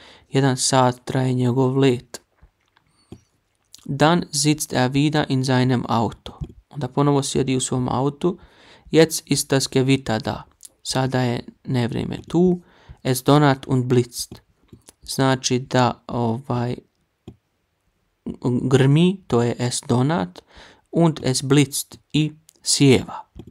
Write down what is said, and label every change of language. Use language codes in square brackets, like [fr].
[bs] Jedan sat traje njegov let. [de] Dann sitzt wieder in seinem Auto. [bs] Onda ponovo sjedi u svom autu. [de] Jetzt ist das Gewitter da. [bs] Sada je nevrijeme tu. [de] Es donat und blitzt. [bs] Znači da grmi, to je [de] es donat, und es blitzt, [bs] i sjeva.